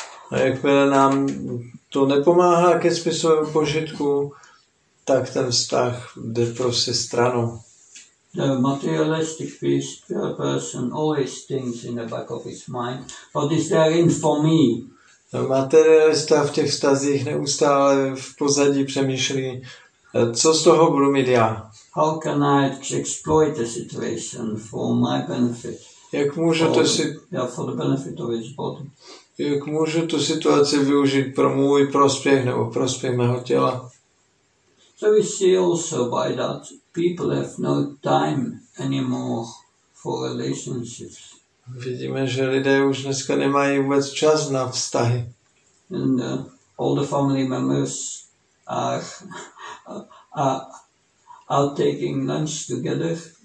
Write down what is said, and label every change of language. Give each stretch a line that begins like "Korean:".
Czech: A jakmile nám to nepomáhá ke spisovému požitku, tak ten vztah jde prostě stranou.
English: The materialistic person always thinks in the back of his mind, what is there in for me?
Czech: Materialista v těch vztazích neustále v pozadí přemýšlí, co z toho budu mít já?
English: How can I exploit the situation for my benefit?
Czech: Jak můžu to si...
English: for the benefit of his body.
Czech: Jak můžu tu situaci využít pro můj prospěch nebo prospěch mého těla?
English: So we see also by that people have no time anymore for relationships.
Czech: Vidíme, že lidé už dneska nemají vůbec čas na vztahy.
English: And all the family members are taking lunch together.